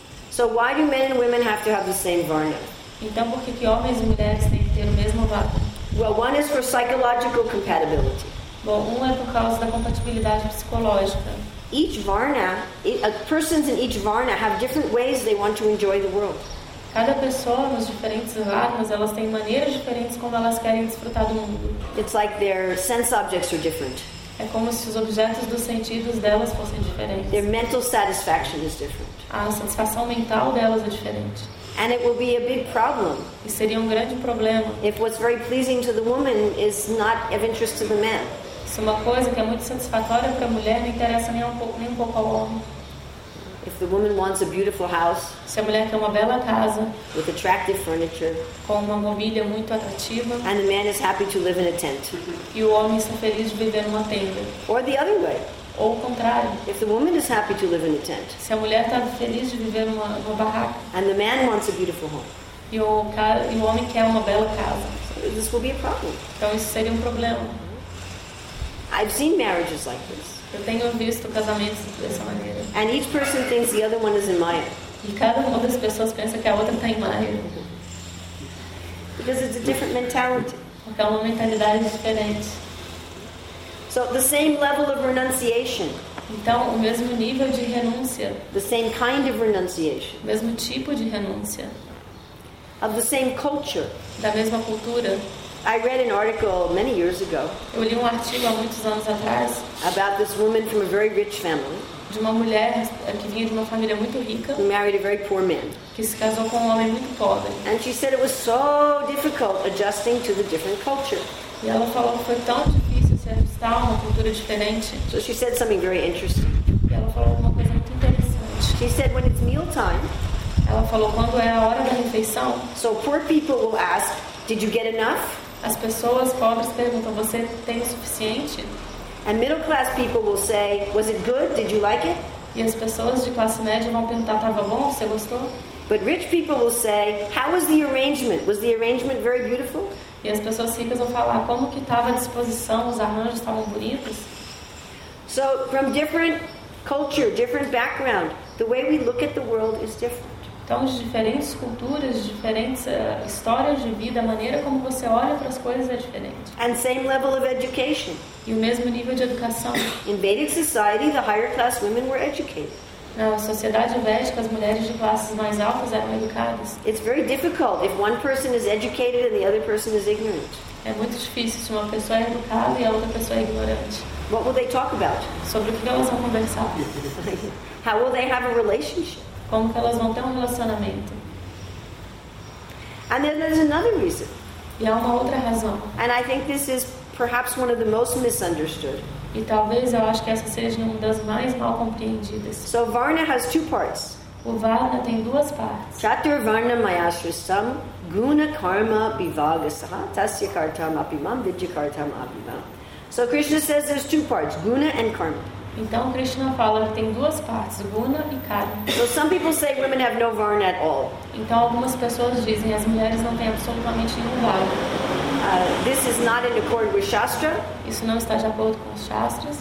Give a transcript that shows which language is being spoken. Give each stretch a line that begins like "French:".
English: So why do men and women have to have the same varna?
Portuguese: Então, por que homens e mulheres têm que ter o mesmo varna?
English: Well, one is for psychological compatibility.
Portuguese: Bom, um é por causa da compatibilidade psicológica.
English: Each varna, persons in each varna have different ways they want to enjoy the world.
Portuguese: Cada pessoa nos diferentes varnas, elas têm maneiras diferentes como elas querem desfrutar do mundo.
English: It's like their sense objects are different.
Portuguese: É como se os objetos dos sentidos delas fossem diferentes.
English: Their mental satisfaction is different.
Portuguese: A satisfação mental delas é diferente.
English: And it will be a big problem.
Portuguese: E seria um grande problema.
English: If what's very pleasing to the woman is not of interest to the man.
Portuguese: Se uma coisa que é muito satisfatória para a mulher não interessa nem um pouco ao homem.
English: If the woman wants a beautiful house,
Portuguese: se a mulher quer uma bela casa,
English: with attractive furniture,
Portuguese: com uma mobília muito atrativa,
English: and the man is happy to live in a tent,
Portuguese: e o homem está feliz de viver numa tenda,
English: or the other way,
Portuguese: ou o contrário,
English: if the woman is happy to live in a tent,
Portuguese: se a mulher está feliz de viver numa barraca,
English: and the man wants a beautiful home,
Portuguese: e o homem quer uma bela casa,
English: this will be a problem.
Portuguese: Então isso seria um problema.
English: I've seen marriages like this.
Portuguese: Eu tenho visto casamentos dessa maneira.
English: And each person thinks the other one is in Maya.
Portuguese: E cada uma das pessoas pensa que a outra está em Maya.
English: Because it's a different mentality.
Portuguese: Porque é uma mentalidade diferente.
English: So the same level of renunciation.
Portuguese: Então o mesmo nível de renúncia.
English: The same kind of renunciation.
Portuguese: O mesmo tipo de renúncia.
English: Of the same culture.
Portuguese: Da mesma cultura.
English: I read an article many years ago
Portuguese: Eu li um artigo há muitos anos atrás
English: about this woman from a very rich family
Portuguese: de uma mulher que vinha de uma família muito rica.
English: Who married a very poor man.
Portuguese: Que se casou com um homem muito pobre.
English: And she said it was so difficult adjusting to the different culture.
Portuguese: E ela falou que foi tão difícil se ajustar a uma cultura diferente.
English: So she said something very interesting.
Portuguese: E ela falou uma coisa muito interessante.
English: She said when it's meal time.
Portuguese: Ela falou quando é a hora da refeição.
English: So poor people will ask, did you get enough?
Portuguese: As pessoas pobres perguntam, você tem o suficiente?
English: And middle class people will say, was it good? Did you like it?
Portuguese: E as pessoas de classe média vão perguntar, tava bom? Você gostou?
English: But rich people will say, how was the arrangement? Was the arrangement very beautiful?
Portuguese: E as pessoas ricas vão falar, como que tava a disposição? Os arranjos estavam bonitos?
English: So, from different culture, different background, the way we look at the world is different.
Portuguese: Então, de diferentes culturas, de diferentes histórias de vida, a maneira como você olha para as coisas é diferente.
English: And same level of education.
Portuguese: E o mesmo nível de educação.
English: In Vedic society, the higher class women were educated.
Portuguese: Na sociedade védica, as mulheres de classes mais altas eram educadas.
English: It's very difficult if one person is educated and the other person is ignorant.
Portuguese: É muito difícil se uma pessoa é educada e a outra pessoa é ignorante.
English: What will they talk about?
Portuguese: Sobre o que elas vão conversar?
English: How will they have a relationship?
Portuguese: Como que elas vão ter um relacionamento?
English: And then there's another reason.
Portuguese: E há uma outra razão.
English: And I think this is perhaps one of the most misunderstood.
Portuguese: E talvez eu acho que essa seja uma das mais mal compreendidas.
English: So Varna has two parts.
Portuguese: O Varna tem duas partes.
Sanskrit: Chatur Varna Mayashrisam Guna Karma Bivagasaha Tasya Kartam Apimam Vidyakartam Apimam.
English: So Krishna says there's two parts, Guna and Karma.
Portuguese: Então Krishna fala que tem duas partes, guna e karma.
English: So some people say women have no varna at all.
Portuguese: Então algumas pessoas dizem as mulheres não têm absolutamente nenhum varna.
English: This is not in accord with shastra.
Portuguese: Isso não está de acordo com os shastras.